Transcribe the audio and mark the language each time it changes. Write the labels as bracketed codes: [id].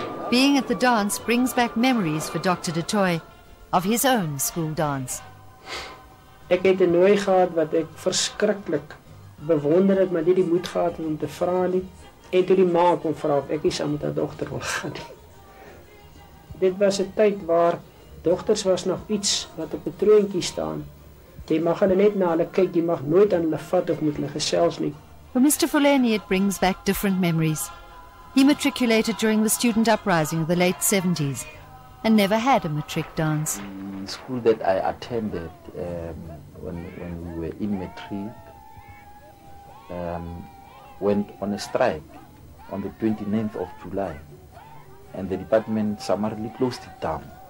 [en] Being at the dance brings back memories for Dr. De Toy of his own school dance. [af] Ek het 'n nooi gehad wat ek verskriklik bewonder het, maar nie die moed gehad om te vra nie. En toe die ma kom vra of ek nie saam met haar dogter wil gaan nie. Dit was 'n tyd waar dogters was nog iets wat op 'n troontjie staan. Jy mag hulle net na hulle kyk, jy mag nooit aan hulle vat of met hulle gesels nie. [en] For Mr. Fulani, it brings back different memories. He matriculated during the student uprising of the late 70s and never had a matric dance. The school that I attended when we were in matric went on a strike on the 29th of July, and the department summarily closed it down.